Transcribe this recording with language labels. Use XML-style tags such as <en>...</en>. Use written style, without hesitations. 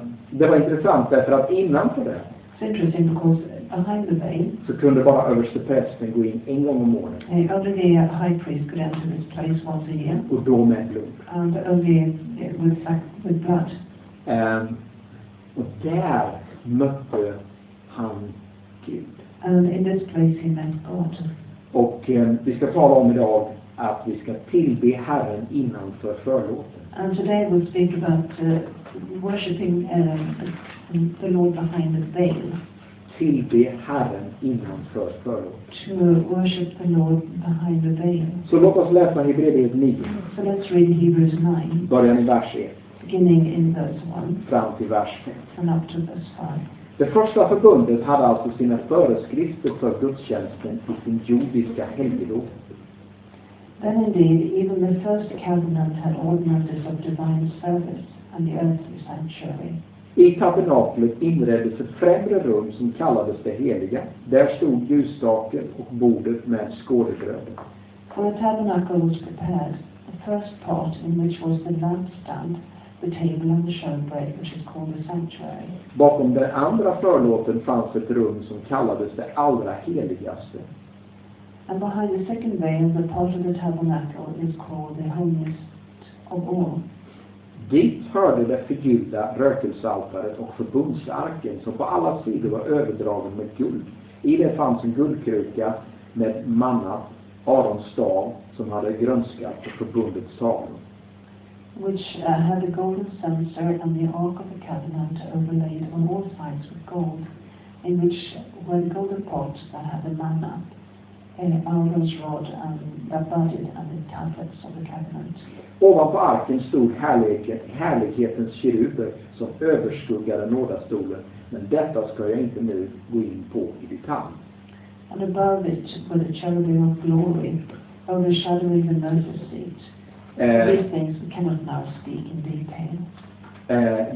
<sv>Det var intressant därför att innanför det.</sv> <en>It's interesting because behind the veil.</en> <sv>Så kunde bara översteprästen gå in en gång om året.</sv> <en>Only the high priest could enter this place once a year.</en> <sv>Och då med blod.</sv> <en>And only with blood.</en> <sv>Och där mötte han Gud.</sv> <en>And in this place he met God.</en> <sv>Och vi ska tala om idag att vi ska tillbe Herren innanför förlåten.</sv> <en>And today we'll speak about worshiping the Lord behind the veil.</en> <sv>Tillbe Herren innanför förlåten.</sv> <en>To worship the Lord behind the veil.</en> <sv>Så låt oss läsa Hebreerbrevet 9.</sv> <en>So let's read Hebrews 9.</en> <sv>Början i vers 1.</sv> <en>Beginning in verse 1.</en> <sv>Fram till vers 5.</sv> <en>And up to verse 5.</en> <sv>Det första förbundet hade alltså sina föreskrifter för gudstjänsten i sin judiska helgedom.</sv> <en>Then indeed, even the first covenant had ordinances of divine service and the earthly sanctuary.</en> <sv>I tabernaklet inreddes ett främre rum som kallades det heliga. Där stod ljusstaken och bordet med skådegröden.</sv> <en>For a tabernacle was prepared, the first part in which was the lampstand, the table and the showbread, which is called the sanctuary.</en> <sv>Bakom den andra förlåten fanns ett rum som kallades det allra heligaste.</sv> <en>And behind the second veil, the part of the tabernacle is called the holiest of all.</en> <sv>Dit hörde det förgyllda rökelsealtaret och förbundsarken som på alla sidor var överdragen med guld. I det fanns en guldkruka med mannat Arons stav som hade grönskat på förbundets tavlor.</sv> <en>Which had a golden censer and the ark of the covenant overlaid on all sides with gold, in which were the golden pots that had the manna, and Aaron's rod that budded and the tablets of the covenant.</en> <sv>Ovanpå arken stod härlighetens keruber som överskuggade nådastolen, men detta ska jag inte nu gå in på i detalj.</sv> <en>And above it were the cherubim of glory, overshadowing the mercy seat. These things we cannot now speak in detail.</en>